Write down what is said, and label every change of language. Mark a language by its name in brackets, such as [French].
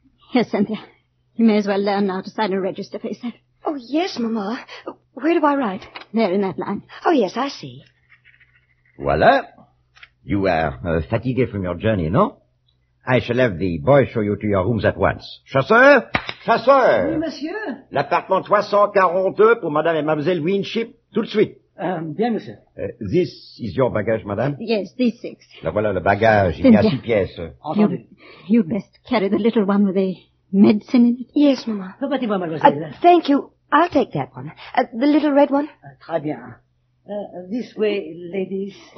[English] Here, Cynthia, you may as well learn now to sign a register for yourself. Oh, yes, mama. Where do I write? There, in that line. Oh, yes, I see. [French] Voilà. [English] You are fatigued from your journey, no? I shall have the boy show you to your rooms at once. [French] Chasseur? Chasseur! Oui, monsieur. L'appartement 342 pour madame et mademoiselle Winship, tout de suite. Bien, monsieur. [English] This is your bagage, madame? Yes, these six. [French] La voilà, le bagage. Cynthia. Il y a six pièces. Entendu. [English] You best carry the little one with the medicine in it. Yes, maman. [French] Permettez moi, mademoiselle. [English] Thank you. I'll take that one. The little red one. [French] Très bien. [English] This way, ladies.